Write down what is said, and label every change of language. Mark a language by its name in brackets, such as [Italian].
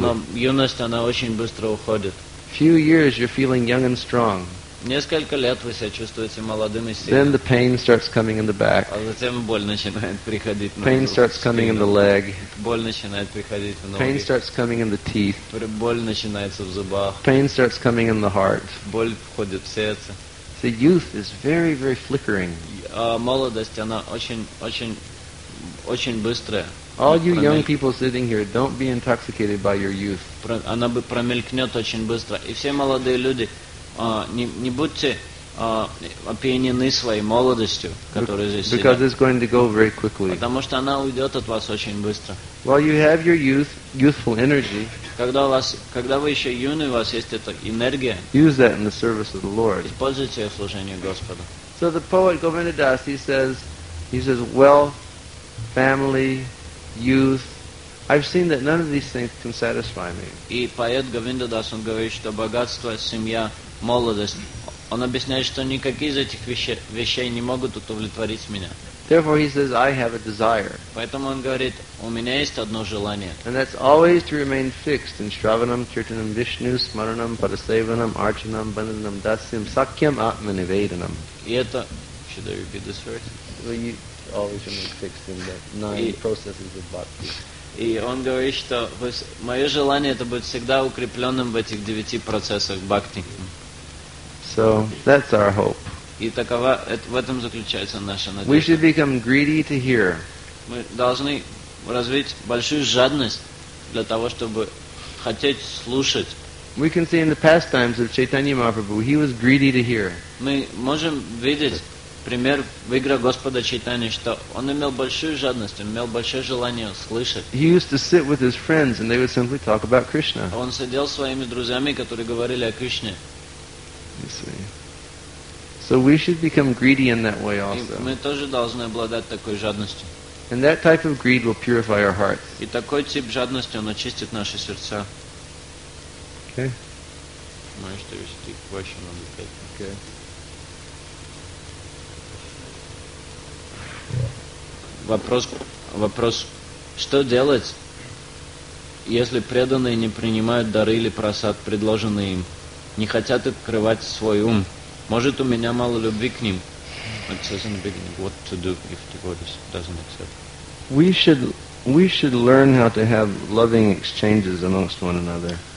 [Russian] Но юность, она очень быстро уходит. [English] Few years, you're feeling young and strong. [Russian] Несколько лет вы себя чувствуете молодым и сильным. [English] Then the pain starts coming in the back. [Russian] А затем боль начинает приходить в ноги. [English] Pain starts coming in the leg. [Russian] Боль начинает приходить в ноги. [English] Pain starts coming in the teeth. [Russian] Боль начинается в зубах. [English] Pain starts coming in the heart. [Russian] Боль входит в сердце. [English] The youth is very, very flickering. [Russian] Молодость, она очень быстрая. [English] All you young people sitting here, don't be intoxicated by your youth. [Russian] Она бы промелькнет очень быстро. И все молодые люди, не будьте опьянены своей молодостью, которая здесь сидит. [English] Because it's going to go very quickly. [Russian] Потому что она уйдет от вас очень быстро. [English] While you have your youthful energy, [Russian] когда вы еще юны, у вас есть эта энергия. [English] Use that in the service of the Lord. [Russian] Используйте ее в служении Господу. [English] So the poet Govindadas, he says, wealth, family, youth. I've seen that none of these things can satisfy me. [Russian] И поэт Говиндадас, он говорит, что богатство, семья, молодость, он объясняет, что никакие из этих вещей не могут удовлетворить меня. [English] Therefore, he says, I have a desire. [Russian] Поэтому он говорит, у меня есть одно желание. [English] And that's always to remain fixed in [Sanskrit] Shravanam, Kirtanam, Vishnu, Smaranam, Parasevanam, Archanam, Bandhanam, Dasyam, Sakyam, Atmanivedanam. [Russian] И это... [English] Should I repeat this verse? Well, you always remain fixed in the nine processes of bhakti. [Russian] И он говорит, что мое желание это быть всегда укрепленным в этих девяти процессах бхакти. [English] So that's our hope. [Russian] И такова, в этом заключается наша надежда. [English] We should become greedy to hear. [Russian] Мы должны развить большую жадность для того, чтобы хотеть слушать. [English] We can see in the pastimes of Chaitanya Mahaprabhu, he was greedy to hear. [Russian] Мы можем видеть пример в играх Господа Чайтани, что он имел большую жадность, он имел большое желание слышать. [English] He used to sit with his friends and they would simply talk about Krishna. [Russian] Он сидел с своими друзьями, которые говорили о Кришне. [English] You see. So we should become greedy in that way also. [Russian] И мы тоже должны обладать такой жадностью. [English] And that type of greed will purify our hearts. [Russian] И такой тип жадности, он очистит наши сердца. [English] Okay. Может, there's a deep question on the page. Okay. [Russian] Вопрос, что делать, если преданные не принимают дары или просад, предложенные им, не хотят открывать свой ум? Может, у меня мало любви к ним? [English] It says in the beginning, what to do if devotee doesn't accept? We should learn how to have loving exchanges amongst one another.